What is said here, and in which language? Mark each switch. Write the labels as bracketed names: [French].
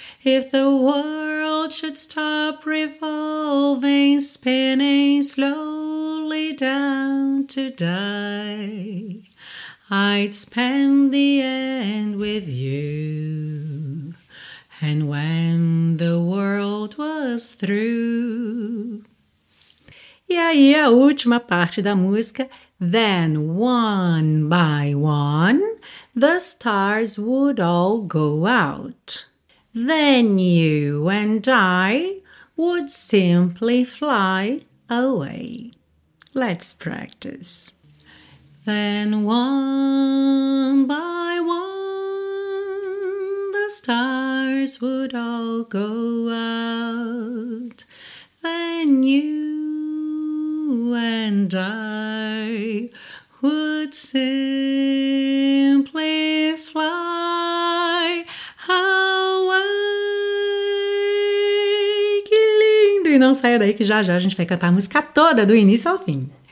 [English] If the world should stop revolving, spinning slowly down to die, I'd spend the end with you. And when the world was through. [Portuguese] E aí, a última parte da música. [English] Then, one by one, the stars would all go out. Then you and I would simply fly away. Let's practice. Then one by one the stars would all go out. Then you and I would simply fly [Portuguese] lindo! E não saia daí que já já a gente vai cantar a música toda do início ao fim.